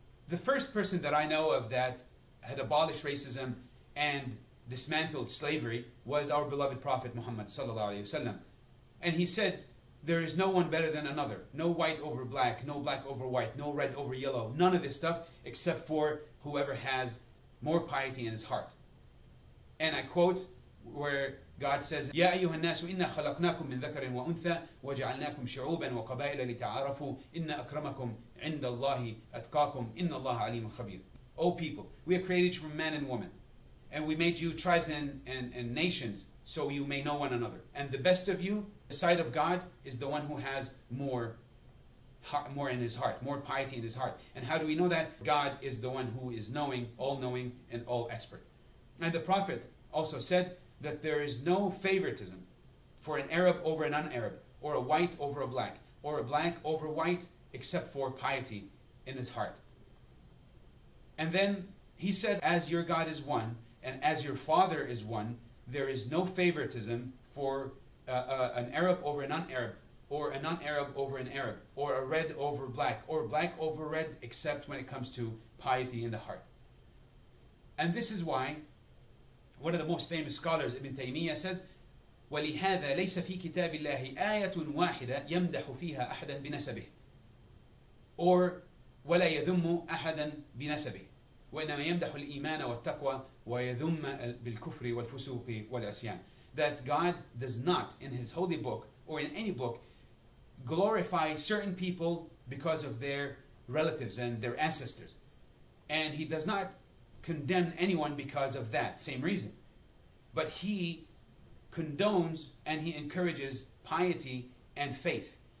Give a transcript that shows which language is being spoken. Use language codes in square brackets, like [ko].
[en] The first person that I know of that had abolished racism and dismantled slavery was our beloved Prophet Muhammad sallallahu alaihi wasallam. And he said, there is no one better than another. No white over black, no black over white, no red over yellow, none of this stuff except for whoever has more piety in his heart. And I quote where God says, [ar] يَا أَيُّهَا النَّاسُ إِنَّا خَلَقْنَاكُمْ مِنْ ذَكَرٍ وَأُنْثَى وَجَعَلْنَاكُمْ شُعُوبًا وَقَبَائِلَ لِتَعَارَفُوا إِنَّ أَكْرَمَكُمْ عِنْدَ اللَّهِ أَتْقَاكُمْ إِنَّ اللَّهَ عَلِيمٌ خَبِيرٌ. [en] O people, we are created from man and woman, and we made you tribes and nations so you may know one another. And the best of you, the sight of God, is the one who has more in his heart, more piety in his heart. And how do we know that? God is the one who is knowing, all-knowing, and all-expert. And the Prophet also said that there is no favoritism for an Arab over an un-Arab, or a white over a black, or a black over white, except for piety in his heart. And then he said, as your God is one, and as your Father is one, there is no favoritism for an Arab over a non-Arab, or a non-Arab over an Arab, or a red over black, or black over red, except when it comes to piety in the heart. And this is why one of the most famous scholars, Ibn Taymiyyah, says, [ar] وَلِهَذَا لَيْسَ فِي كِتَابِ اللَّهِ آيَةٌ وَاحِدَةٌ يَمْدَحُ فِيهَا أَحَدًا بِنَسَبِهِ [en] or [ar] وَلَا يَذُمُّ أَحَدًا بِنَسَبِهِ وَإِنَّمَا يَمْدَحُ الْإِيمَانَ وَالتَّقْوَى وَيَذُمَّ بِالْكُفْرِ وَالْفُسُوقِ وَالْعَصْيَانِ. [en] That God does not, in His holy book, or in any book, glorify certain people because of their relatives and their ancestors. And He does not condemn anyone because of that same reason. But He condones and He encourages piety and faith.